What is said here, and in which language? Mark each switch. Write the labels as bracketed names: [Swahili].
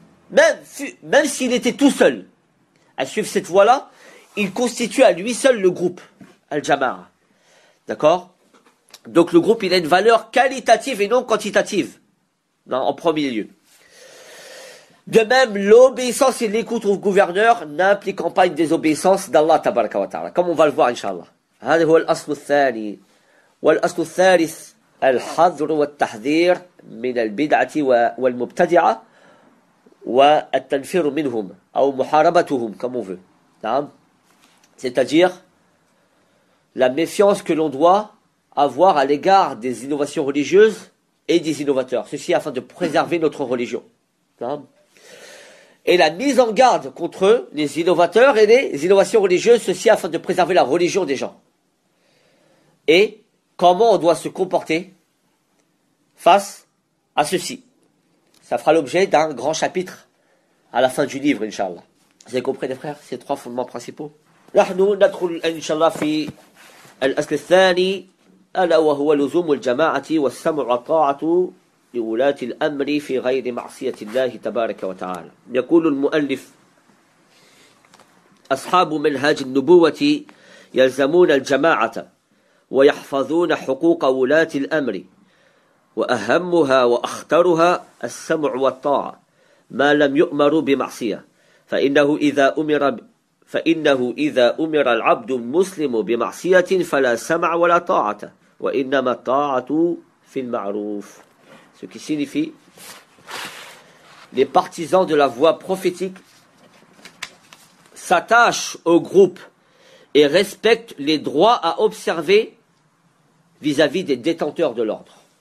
[French] Même s'il était tout seul à suivre cette voie-là, il constitue à lui seul le groupe, al-jama'a. D'accord? Donc le groupe, il a une valeur qualitative et non quantitative, en premier lieu. De même, l'obéissance et l'écoute au gouverneur n'impliquent pas une désobéissance d'Allah, tabaraka wa ta'ala, comme on va le voir, Inch'Allah. [Arabic] هذا هو الأصل الثاني. والأصل الثالث الحذر والتحذير من البدعة والمبتدعة والتنفير منهم أو محاربتهم, [French] comme on veut. C'est-à-dire, la méfiance que l'on doit avoir à l'égard des innovations religieuses et des innovateurs. Ceci afin de préserver notre religion. Et la mise en garde contre les innovateurs et les innovations religieuses, ceci afin de préserver la religion des gens. Et comment on doit se comporter face à ceci. Ça fera l'objet d'un grand chapitre à la fin du livre, Inch'Allah. Vous avez compris, les frères, ces trois fondements principaux. [Arabic] Nous, Inch'Allah, fi al-asl al-thani. ألا وهو لزوم الجماعة والسمع والطاعة لولاة الأمر في غير معصية الله تبارك وتعالى. يقول المؤلف: أصحاب منهاج النبوة يلزمون الجماعة ويحفظون حقوق ولاة الأمر, وأهمها وأخطرها السمع والطاعة ما لم يؤمروا بمعصية. فإنه إذا أمر العبد المسلم بمعصية فلا سمع ولا طاعة. [French] Ce qui signifie, les partisans de la voie prophétique s'attachent au groupe et respectent les droits à observer vis-à-vis des détenteurs de l'ordre.